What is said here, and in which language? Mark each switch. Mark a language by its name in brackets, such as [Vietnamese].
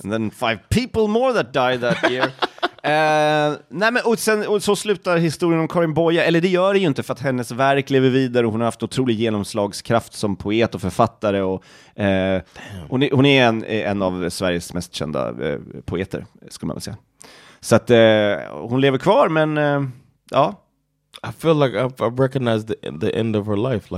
[English] And then 5 people more that died that year. [Swedish] Nej, men, och sen, och så slutar historien om Karin Boye. Eller det gör det ju inte, för att hennes verk lever vidare och hon har haft otrolig genomslagskraft som poet och författare och, hon är en av Sveriges mest kända poeter, skulle man väl säga. Så att hon lever kvar, men ja. [English] I feel like I've recognized the end of her life.